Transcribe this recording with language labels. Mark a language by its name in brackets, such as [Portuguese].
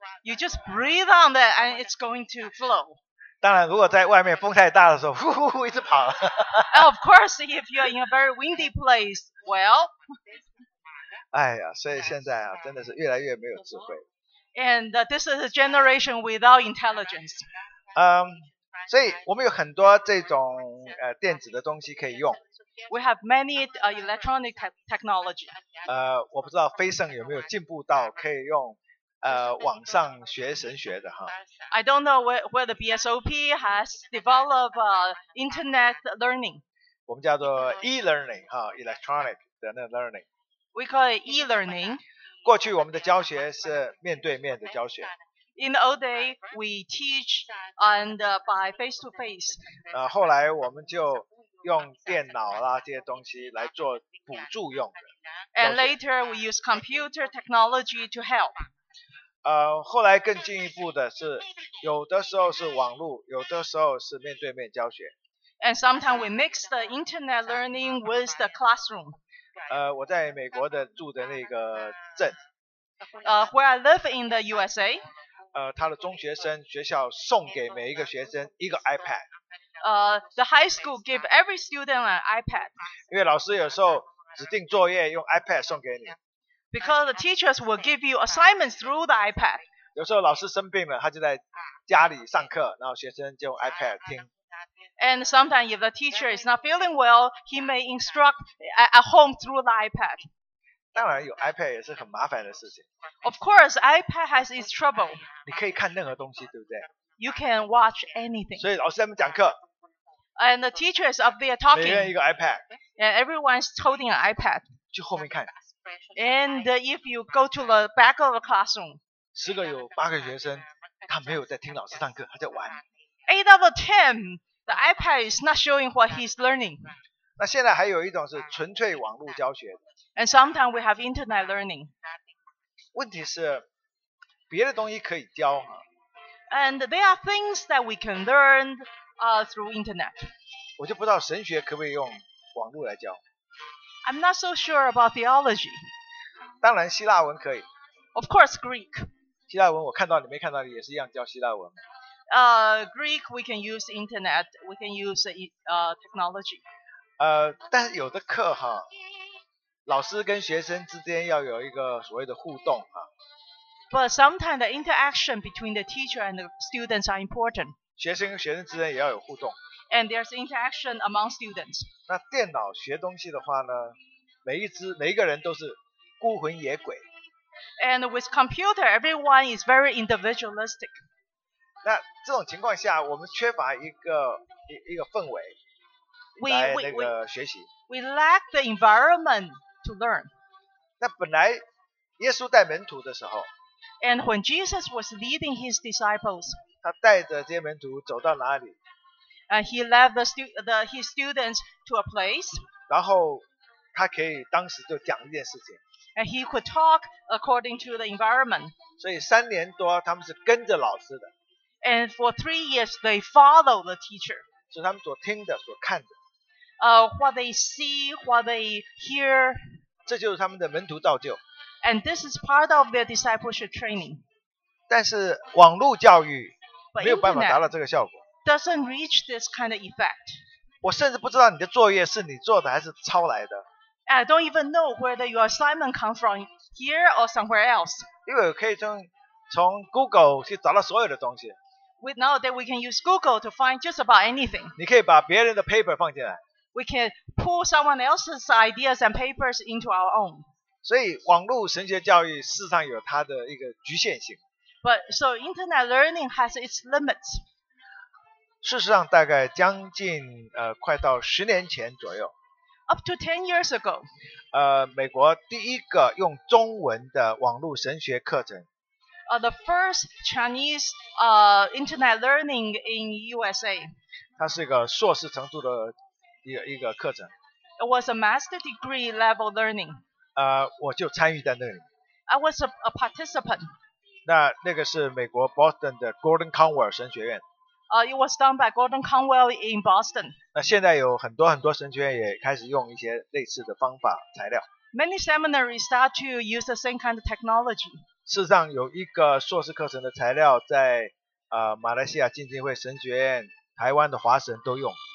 [English] You just breathe on that and it's going to flow. [Chinese] 当然如果在外面风太大的时候呼呼呼一直跑了。 [English] Of course, if you're in a very windy place, well. [Chinese] 哎呀所以现在啊真的是越来越没有智慧。 [English] And this is a generation without intelligence. [Chinese] 所以我们有很多这种电子的东西可以用。 [English] We have many electronic technology. [Chinese] 我不知道飞盛有没有进步到可以用网上学神学的哈。 [English] I don't know whether BSOP has developed internet learning. [Chinese] 我们叫做 e-learning 哈 ，electronic 的那 learning。 [English] We call it e-learning。 [Chinese] 过去我们的教学是面对面的教学。 [English] In the old day, we teach and by face to face。 [Chinese] 后来我们就用电脑啦这些东西来做辅助用的。 [English] And later we use computer technology to help。 [Chinese] 后来更进一步的是，有的时候是网络，有的时候是面对面教学。 [English] And sometimes we mix the internet learning with the classroom. [Chinese] 我在美国的住的那个镇。 [English] Where I live in the USA. [Chinese] 他的中学生学校送给每一个学生一个 iPad. [English] The high school give every student an iPad. [Chinese] 因为老师有时候指定作业用 iPad 送给你。 [English] Because the teachers will give you assignments through the iPad. [Chinese] 有时候老师生病了，他就在家里上课，然后学生就用 iPad 听。 [English] And sometimes if the teacher is not feeling well, he may instruct at home through the iPad. [Chinese] 当然有 iPad 也是很麻烦的事情。 [English] Of course, iPad has its trouble. [Chinese] 你可以看任何东西，对不对？ [English] You can watch anything. [Chinese] 所以老师在那边讲课。 [English] And the teacher is up there talking. [Chinese] 每人一个 iPad. [English] And everyone is holding an iPad. [Chinese] 去后面看。 [English] And if you go to the back of the classroom. [Chinese] 十个有八个学生，他没有在听老师上课，他在玩。 [English] 8 out of 10, the iPad is not showing what he's learning. [Chinese] 那现在还有一种是纯粹网络教学。 [English] And sometimes we have internet learning. [Chinese] 问题是别的东西可以教。 [English] And there are things that we can learn through internet. [Chinese] 我就不知道神学可不可以用网络来教。 [English] I'm not so sure about theology. [Chinese] 当然希腊文可以。 [English] Of course, Greek. [Chinese] 希腊文我看到你没看到你也是一样教希腊文。 [English] Greek, we can use internet, we can use technology. [Chinese] 但是有的课哈，老师跟学生之间要有一个所谓的互动啊。 [English] But sometimes the interaction between the teacher and the students are important. [Chinese] 学生跟学生之间也要有互动。 [English] And there's interaction among students. [Chinese] 那电脑学东西的话呢，每一个人都是孤魂野鬼。 [English] And with computer, everyone is very individualistic. [Chinese] 那这种情况下，我们缺乏一个氛围来那个学习。 [English] We lack the environment to learn. [Chinese] 那本来耶稣带门徒的时候 [English] ，And when Jesus was leading his disciples, [Chinese] 他带着这些门徒走到哪里 [English] ？And he led his students to a place. [Chinese] 然后他可以当时就讲一件事情。 [English] And he could talk according to the environment. [Chinese] 所以三年多他们是跟着老师的。 [English] And for 3 years, they follow the teacher. [Chinese] 是他们所听的，所看的。 [English] What they see, what they hear. [Chinese] 这就是他们的门徒造就。 [English] And this is part of their discipleship training. [Chinese] 但是网络教育没有办法达到这个效果。 [English] Doesn't reach this kind of effect. [Chinese] 我甚至不知道你的作业是你做的还是抄来的。 [English] I don't even know whether your assignment comes from here or somewhere else. [Chinese] 因为我可以从 Google 去找到所有的东西。 [English] Nowadays we can use Google to find just about anything. [Chinese] 你可以把别人的 paper 放进来。 [English] We can pull someone else's ideas and papers into our own. [Chinese] 所以网络神学教育事实上有它的一个局限性。 [English] But so internet learning has its limits. [Chinese] 事实上大概将近快到十年前左右。 [English] Up to 10 years ago. [Chinese] 美国第一个用中文的网络神学课程。 [English] The first Chinese internet learning in USA. [Chinese] 它是一个硕士程度的一个课程。 [English] It was a master degree level learning. [Chinese] 我就参与在那里。 [English] I was a participant. [Chinese] 那个是美国 Boston 的 Gordon Conwell 神学院。 [English] It was done by Gordon Conwell in Boston. [Chinese] 那现在有很多很多神学院也开始用一些类似的方法材料。 [English] Many seminaries start to use the same kind of technology. [Chinese] 事实上有一个硕士课程的材料在马来西亚浸信会神学院台湾的华神都用。